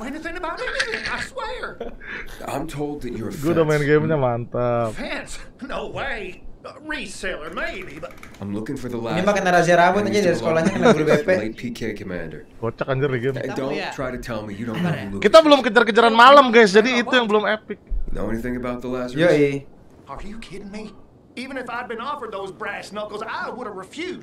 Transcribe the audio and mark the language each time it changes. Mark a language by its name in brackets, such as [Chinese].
[English] anything about it, I swear. I'm told that you're a fan. [Indonesian] Gue udah main gamenya mantap. [English] Fans? No way. Reseller, maybe, but... I'm looking for the last... [Indonesian] Ini mah kena razia rambut aja dari sekolahnya, kena guru BP. Kocak anjir di game. [English] Don't try to tell me you don't know Lucas. [Indonesian] Kita belum kejar-kejaran malam, guys, jadi itu yang belum epic. [English] Know anything about the last reason? Yoi. Are you kidding me? Even if I'd been offered those brass knuckles, I would have refused.